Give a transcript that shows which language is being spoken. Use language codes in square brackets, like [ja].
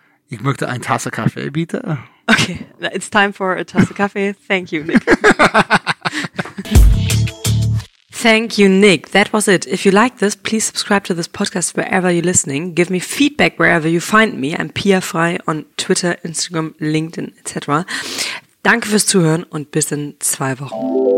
[de] Ich möchte ein Tasse Kaffee, bitte. [en] Okay, it's time for a Tasse Kaffee. Thank you, Nick. Thank you, Nick. That was it. If you like this, please subscribe to this podcast wherever you're listening. Give me feedback wherever you find me. I'm Pia Frey on Twitter, Instagram, LinkedIn, etc. [de] Danke fürs Zuhören und bis in 2 Wochen.